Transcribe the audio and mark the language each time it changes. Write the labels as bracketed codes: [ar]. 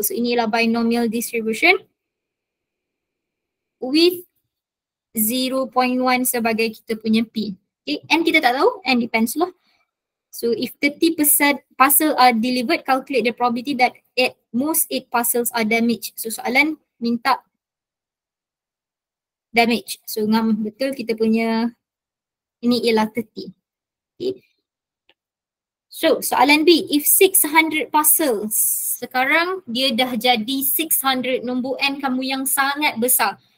[ms] So inilah [en] binomial distribution with [ms] 0.1 sebagai kita punya P. Okay, N kita tak tahu, N depends lah. [en] So if 30% parcel are delivered, calculate the probability that at most 8 parcels are damaged. [ms] So soalan minta damage. So ngam betul kita punya ini ialah 30. Okay. So soalan B, [en] if 600 parcels, [ms] sekarang dia dah jadi 600, nombor N kamu yang sangat besar.